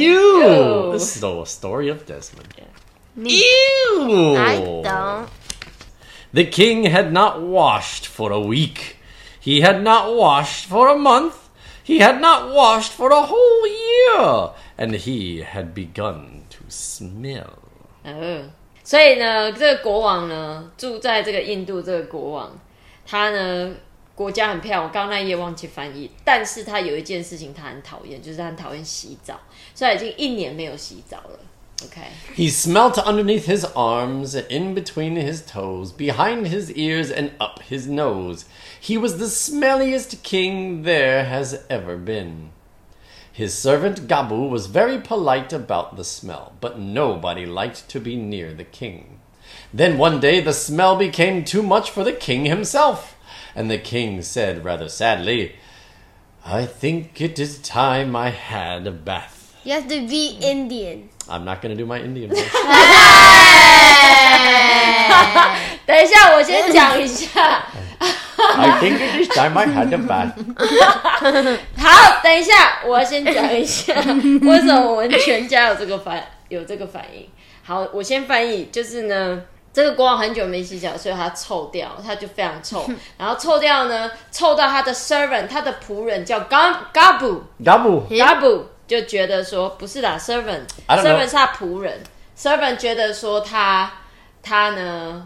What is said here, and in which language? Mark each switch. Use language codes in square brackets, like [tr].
[en] You! This is the story of Desmond. Yeah. Ew! I don't. The king had not washed for a week. He had not washed for a month. He had not washed for a whole year. And he had begun to smell. Oh. [zh] 所以呢，这个国王呢，住在这个印度这个国王，他呢国家很漂亮，我刚刚那页忘记翻译。但是他有一件事情他很讨厌，就是他很讨厌洗澡，所以已经一年没有洗澡了。 [en] Okay. He smelt underneath his arms, in between his toes, behind his ears, and up his nose. He was the smelliest king there has ever been. His servant Gabu was very polite about the smell, but nobody liked to be near the king. Then one day the smell became too much for the king himself. And the king said rather sadly, I think it is time I had a bath. You have to be Indian. I'm not going to do my Indian [zh] voice. 等一下我先讲一下。 [en] I think it is time I had a bath. [zh] 好，等一下我先讲一下为什么我们全家有这个反应。好，我先翻译，就是呢这个国王很久没洗脚，所以他臭掉，他就非常臭。然后臭掉呢，臭到他的 servant， 他的仆人叫 Gabu 就觉得说不是啦 servant 是他仆人 ，servant 觉得说他呢